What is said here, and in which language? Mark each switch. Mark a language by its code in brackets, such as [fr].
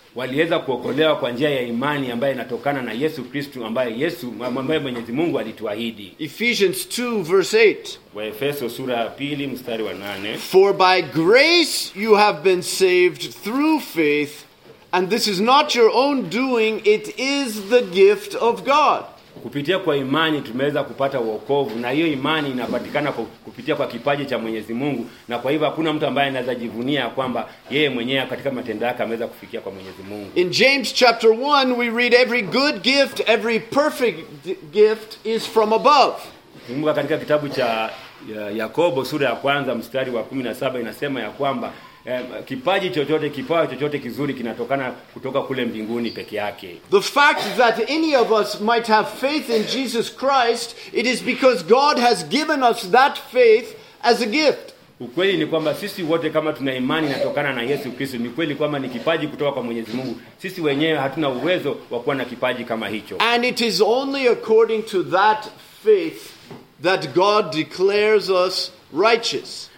[sw] Waliweza kuokolewa kwa njia ya imani ambayo inatokana na Yesu Kristo ambaye Yesu ambaye Mwenyezi Mungu alituahidi. [en] Ephesians 2 verse 8. [sw] Waefeso sura ya 2 mstari wa 8. [en] For by grace you have been saved through faith, and this is not your own doing, it is the gift of God. [sw] Kupitia kwa imani tumeweza kupata wokovu, na hiyo imani inapatikana kupitia kwa kipaji cha Mwenyezi Mungu, na kwa hivyo hakuna mtu ambaye anaweza jivunia kwamba yeye mwenyewe katika matendo yake ameweza kufikia kwa Mwenyezi Mungu. [en] In James chapter 1 we read every good gift, every perfect gift is from above. [sw] Kumbuka katika kitabu cha Yakobo sura ya kwanza mstari wa 17 inasema ya kwamba kipaji chochote, kipawa chochote kizuri kinatokana kutoka kule mbinguni peke yake. [en] The fact that any of us might have faith in Jesus Christ, it is because God has given us that faith as a gift. [sw] Ukweli ni kwamba sisi wote kama tuna imani inatokana na Yesu Kristo, ni kweli kwamba ni kipaji kutoka kwa Mwenyezi Mungu. Sisi wenyewe hatuna uwezo wa kuwa na kipaji kama hicho. [en] And it is only according to that faith that God declares us righteous.